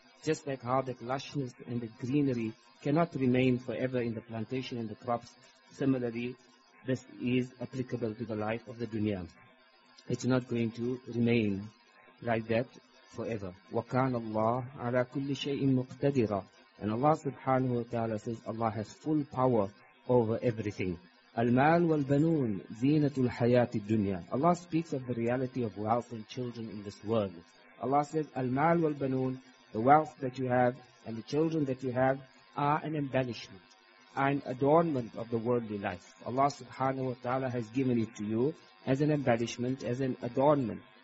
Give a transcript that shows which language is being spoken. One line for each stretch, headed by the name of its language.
English: Just like how that lushness and the greenery cannot remain forever in the plantation and the crops, similarly, this is applicable to the life of the dunya. It's not going to remain. like that forever.
Arabic: وَكَانَ اللَّهُ عَلَىٰ كُلِّ شَيْءٍ مُقْتَدِرًا.
English: And Allah subhanahu wa ta'ala says Allah has full power over everything.
Arabic: المال والبنون زينة الحياة الدنيا.
English: Allah speaks of the reality of wealth and children in this world. Allah says
Arabic: المال والبنون,
English: the wealth that you have and the children that you have are an embellishment, an adornment of the worldly life. Allah subhanahu wa ta'ala has given it to you as an embellishment, as an adornment.